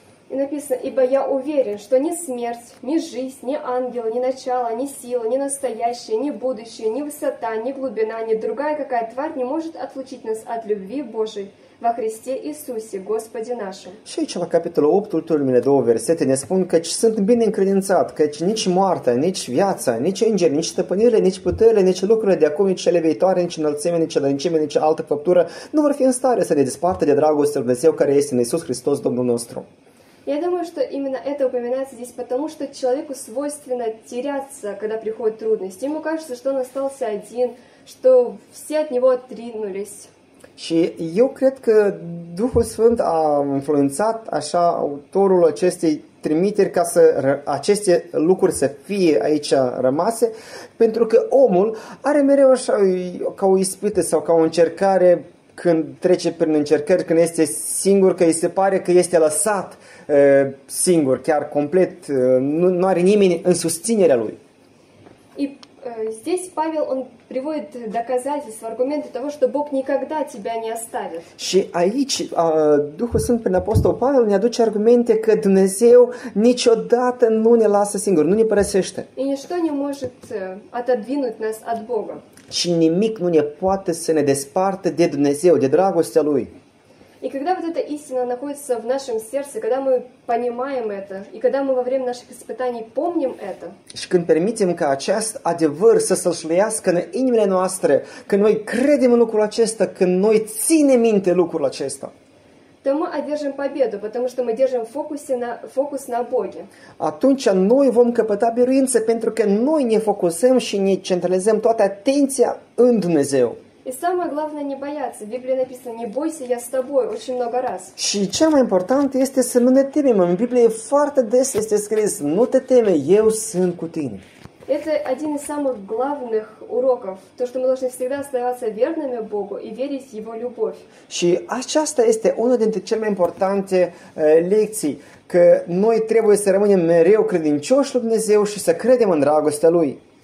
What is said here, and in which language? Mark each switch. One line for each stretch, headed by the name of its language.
Russian: И написано, ибо я уверен, что ни смерть, ни жизнь, ни ангелы, ни начало, ни сила, ни настоящее, ни будущее, ни высота, ни глубина, ни другая какая тварь не может отлучить нас от любви Божией во Христе Иисусе, Господе нашем.
Romanian: Și aici, la capitolul 8, ultimele două versete, ne spun că sunt bine încredințat, căci nici moartea, nici viața, nici îngeri, nici stăpânirile, nici puterile, nici lucrurile de acum, nici cele viitoare, nici înălțime, nici adâncime, nici altă făptură, nu vor fi în stare să ne despartă de dragostea lui Dumnezeu care este în Iisus Hristos, Domnul nostru.
Russian: Я думаю, что именно это упоминается здесь, потому что человеку свойственно теряться, когда приходят трудности. Ему кажется, что он остался один, что все от него отринулись.
Romanian: Și eu cred că Duhul Sfânt a influențat așa autorul acestei trimiteri ca să aceste lucruri să fie aici rămase, pentru că omul are mereu așa ca o ispită sau ca o încercare când trece prin încercări, când este singur, că îi se pare că este lăsat singur, chiar complet, nu are nimeni în susținerea lui.
Russian: И здесь Павел он приводит доказательства, аргументы того, что Бог никогда тебя не оставит.
Romanian: Și aici Duhul Sfânt prin apostol Pavel ne aduce argumente că Dumnezeu niciodată nu ne lasă singur, nu ne părăsește.
Russian: И ничто не может отодвинуть нас от Бога.
Romanian: Și nimic nu ne poate să ne despartă de Dumnezeu, de dragostea lui.
Russian: И когда вот эта истина находится в нашем сердце, когда мы понимаем это, и когда мы во время наших испытаний помним это,
Romanian: și când permitem ca acest adevăr să se șlească în inimile noastre, când noi credem în lucrul acesta, când noi ținem minte lucrul acesta,
Russian: то мы одержим победу, потому что мы держим фокус на Боге.
Romanian: Atunci noi vom căpăta biruință, pentru că noi ne focusăm și ne centralizăm toată atenția în Dumnezeu.
Russian: И самое главное не бояться. В Библии написано: не бойся, я с тобой. Очень много раз.
Romanian: Și cea mai importantă este să nu ne temem. În Biblie foarte des este scris: nu te teme, eu sunt cu tine.
Russian: Это один из самых главных уроков, то, что мы должны всегда оставаться верными Богу и верить в Его любовь.
Romanian: Și aceasta este una dintre cele mai importante lecții, că noi trebuie să rămânem mereu credincioși lui Dumnezeu și să credem în dragostea Lui.